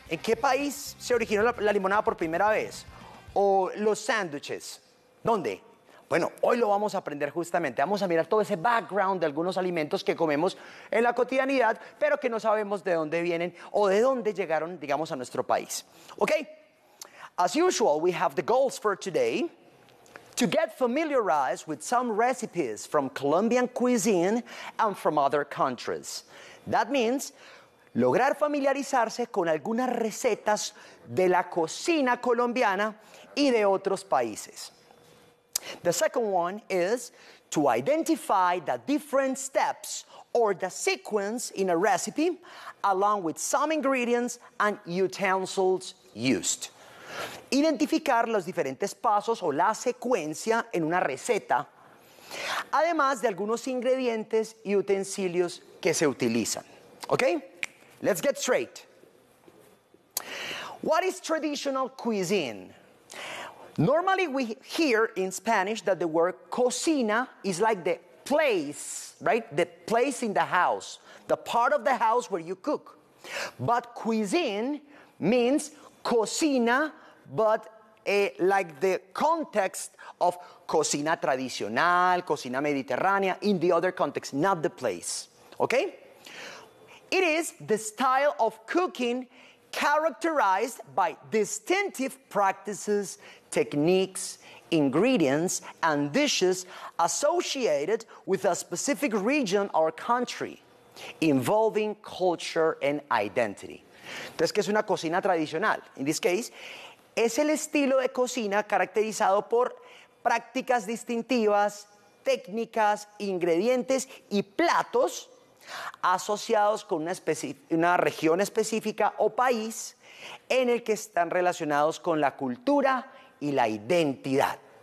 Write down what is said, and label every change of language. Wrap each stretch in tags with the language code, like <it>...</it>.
<es>¿En qué país se originó la limonada por primera vez? ¿O los sándwiches? ¿Dónde? Bueno, hoy lo vamos a aprender justamente. Vamos a mirar todo ese background de algunos alimentos que comemos en la cotidianidad, pero que no sabemos de dónde vienen o de dónde llegaron, digamos, a nuestro país. ¿Ok?</es> <en>As usual, we have the goals for today. To get familiarized with some recipes from Colombian cuisine and from other countries. That means</en> <es>lograr familiarizarse con algunas recetas de la cocina colombiana y de otros países.</es> <en>The second one is to identify the different steps or the sequence in a recipe along with some ingredients and utensils used.</en> <es>Identificar los diferentes pasos o la secuencia en una receta, además de algunos ingredientes y utensilios que se utilizan.</es> <en>Okay? Let's get straight. What is traditional cuisine? Normally we hear in Spanish that the word cocina is like the place, right? The place in the house, the part of the house where you cook. But cuisine means cocina, but like the context of</en> <es>cocina tradicional, cocina mediterránea,</es> <en>in the other context, not the place, okay? It is the style of cooking characterized by distinctive practices, techniques, ingredients, and dishes associated with a specific region or country, involving culture and identity.</en> <es>Entonces, ¿qué es una cocina tradicional?</es> <en>In this case,</en> <es>es el estilo de cocina caracterizado por prácticas distintivas, técnicas, ingredientes y platos asociados con una región específica o país en el que están relacionados con la cultura y la identidad.</es>